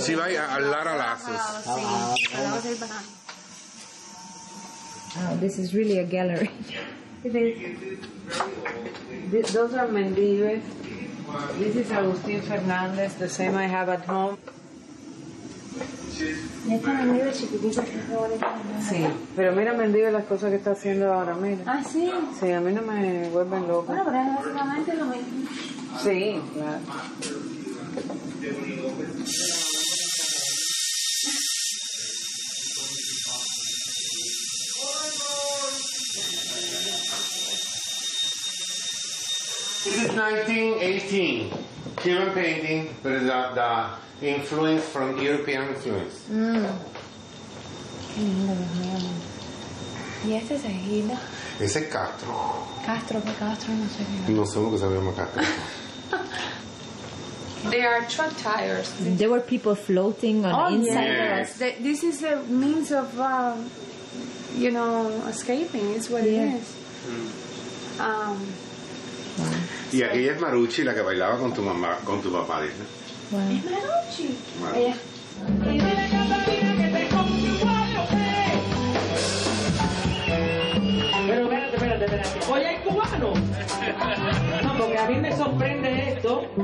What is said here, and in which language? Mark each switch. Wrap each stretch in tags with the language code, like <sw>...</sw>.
<es>Sí, va a Lara Lazos.</es> <en>Oh, this is really a gallery. Those are Mendives. This is Agustín Fernández, the same I have at home.</en> <es>Sí, pero mira, Mendive, las cosas que está haciendo ahora, mira. Ah, sí. Sí, a mí no me vuelven loco. Bueno, pero es básicamente lo mismo. Sí, claro.</es> <en>This is 1918. Cuban painting, but the influence from European influence.</en> <es>¿Y ese es el Hilda? Ese es Castro. Castro, ¿qué Castro? No sé qué. No sé lo que se llama Castro.</es> <en>There are truck tires. There were people floating on insiders. Yes. This is a means of, you know, escaping. It's what it is.</en> <es>Y aquella es Marucci, la que bailaba con tu mamá, con tu papá, ¿no? Es Marucci. Oye, hay cubanos. No, porque a mí me sorprende esto.</es>